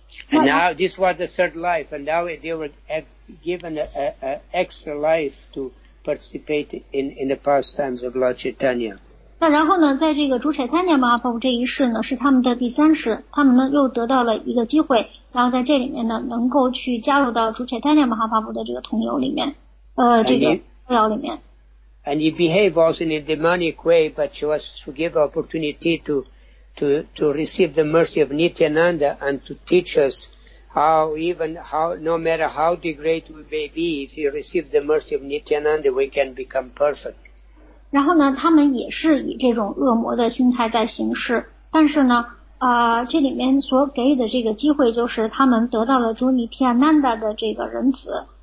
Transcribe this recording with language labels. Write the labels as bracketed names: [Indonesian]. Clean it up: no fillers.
[English] And now this was the third life, and now they were given a extra life to participate in the pastimes of Lord Chaitanya. [Chinese] 那然后呢，在这个主彩参加马哈帕布这一世呢，是他们的第三世，他们呢又得到了一个机会，然后在这里面呢，能够去加入到主彩参加马哈帕布的这个同游里面，这个纷扰里面。 [English] And you behave also in a demonic way, but she was to give opportunity to receive the mercy of Nityananda and to teach us how no matter how degraded we may be, if you receive the mercy of Nityananda, we can become perfect. [Chinese] 然后呢，他们也是以这种恶魔的心态在行事，但是呢，这里面所给予的这个机会就是他们得到了主尼提亚南达的这个仁慈。